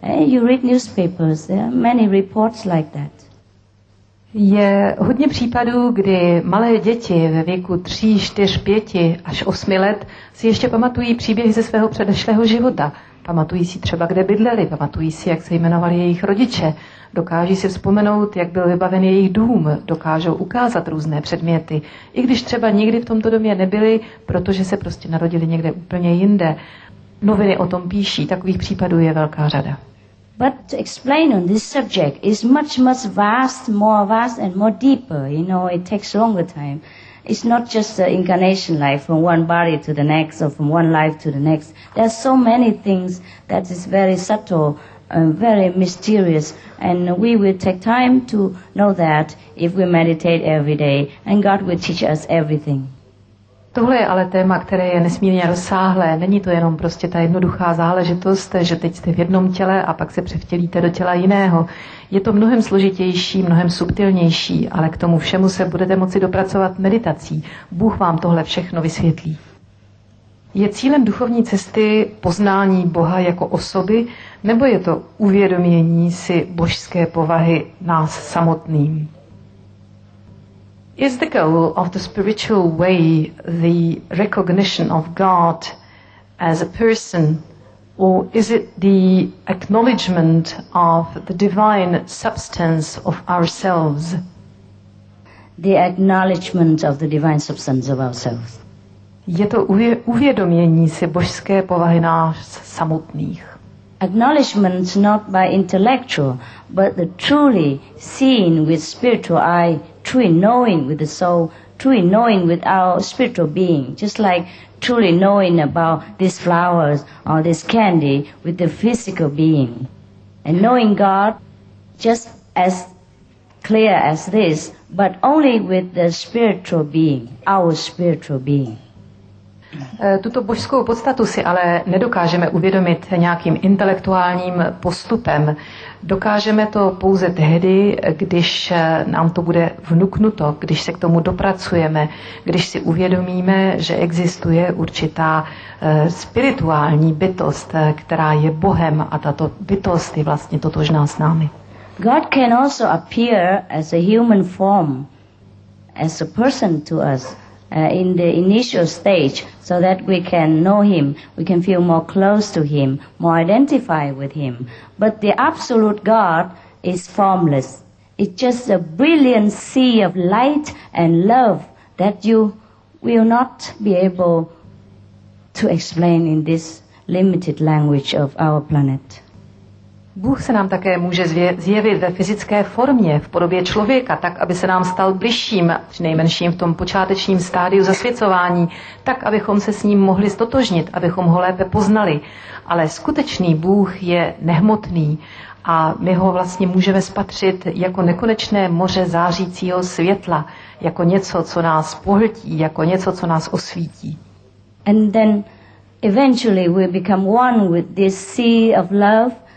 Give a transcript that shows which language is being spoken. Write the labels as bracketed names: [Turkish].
[English] You read newspapers, there are many reports like that. [Czech] Je hodně případů, kdy malé děti ve věku 3, 4, 5 až 8 let si ještě pamatují příběhy ze svého předešlého života. Pamatují si třeba, kde bydleli, pamatují si, jak se jmenovali jejich rodiče. Dokáží si vzpomenout, jak byl vybaven jejich dům, dokážou ukázat různé předměty. I když třeba nikdy v tomto domě nebyli, protože se prostě narodili někde úplně jinde. Noviny o tom píší, takových případů je velká řada. [English] But to explain on this subject is much vast and more deeper, you know, it takes longer time. It's not just the incarnation life from one body to the next or from one life to the next. There are so many things that is very subtle, very mysterious, and we will take time to know that if we meditate every day, and God will teach us everything. [Czech] Tohle je ale téma, které je nesmírně rozsáhlé. Není to jenom prostě ta jednoduchá záležitost, že teď jste v jednom těle a pak se převtělíte do těla jiného. Je to mnohem složitější, mnohem subtilnější, ale k tomu všemu se budete moci dopracovat meditací. Bůh vám tohle všechno vysvětlí. Je cílem duchovní cesty poznání Boha jako osoby, nebo je to uvědomění si božské povahy nás samotným? [English] Is the goal of the spiritual way the recognition of God as a person, or is it the acknowledgement of the divine substance of ourselves? The acknowledgement of the divine substance of ourselves. [Czech] Je to uvědomění si božské povahy nás samotných. [English] acknowledgement not by intellectual, but the truly seeing with spiritual eye, truly knowing with the soul, truly knowing with our spiritual being, just like truly knowing about these flowers or this candy with the physical being. And knowing God just as clear as this, but only with the spiritual being, our spiritual being. [Czech] Tuto božskou podstatu si ale nedokážeme uvědomit nějakým intelektuálním postupem. Dokážeme to pouze tehdy, když nám to bude vnuknuto, když se k tomu dopracujeme, když si uvědomíme, že existuje určitá spirituální bytost, která je Bohem, a tato bytost je vlastně totožná s námi. [English] God can also appear as a human form, as a person to us. In the initial stage, so that we can know him, we can feel more close to him, more identify with him. But the absolute God is formless. It's just a brilliant sea of light and love that you will not be able to explain in this limited language of our planet. [Czech] Bůh se nám také může zjevit ve fyzické formě, v podobě člověka, tak, aby se nám stal bližším, či nejmenším v tom počátečním stádiu zasvěcování, tak, abychom se s ním mohli ztotožnit, abychom ho lépe poznali. Ale skutečný Bůh je nehmotný a my ho vlastně můžeme spatřit jako nekonečné moře zářícího světla, jako něco, co nás pohltí, jako něco, co nás osvítí. [English] And then eventually we become one with this sea of love.